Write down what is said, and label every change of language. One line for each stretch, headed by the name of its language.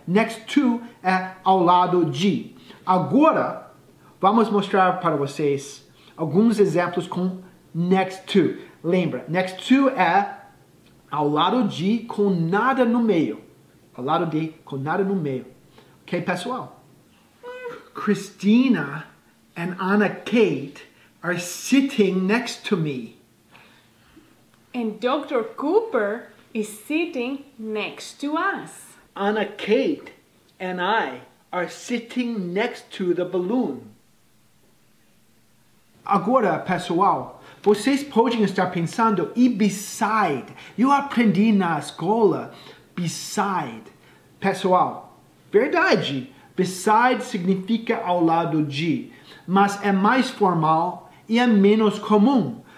Portuguese: Next to é ao lado de. Agora, vamos mostrar para vocês alguns exemplos com next to. Lembra, next to é ao lado de com nada no meio. Ao lado de com nada no meio. Ok, pessoal?
English: Christina and Anna Kate are sitting next to me. And Dr. Cooper is sitting next to us. Anna Kate and I are sitting next to the balloon.
Portuguese: Agora, pessoal, vocês podem estar pensando, e beside? Eu aprendi na escola, beside. Pessoal, verdade. Beside significa ao lado de. Mas é mais formal e é menos comum.